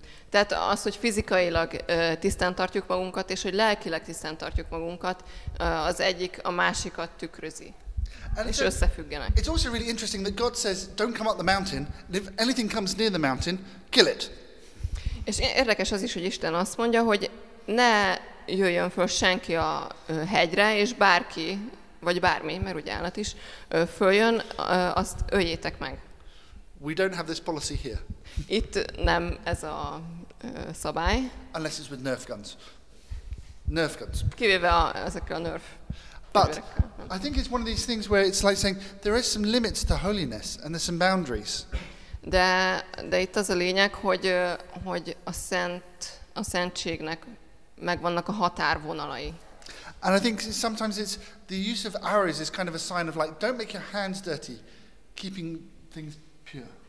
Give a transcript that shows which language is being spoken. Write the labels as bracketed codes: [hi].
[hu] Tehát az, hogy fizikailag tisztán tartjuk magunkat, és hogy lelkileg tisztán tartjuk magunkat, az egyik a másikat tükrözi, [en] and [hu] és összefüggenek. [en] It's also really interesting that God says, "Don't come up the mountain. If anything comes near the mountain, kill it." [hu] És érdekes az is, hogy Isten azt mondja, hogy ne jöjjön föl senki a hegyre, és bárki. Vagy bármi, mert ugye állat is, följön, azt öljétek meg. [en] We don't have this policy here. [hu] Itt nem ez a szabály. [en] Unless it's with Nerf guns. Nerf guns. [hu] Kivéve ezekkel a Nerf. [en] But I think it's one of these things where it's like saying, there is some limits to holiness, and there's some boundaries. [hu] De itt az a lényeg, hogy a szentségnek megvannak a határvonalai. [en] And I think sometimes it's the use of arrows is kind of a sign of like, don't make your hands dirty, keeping things pure.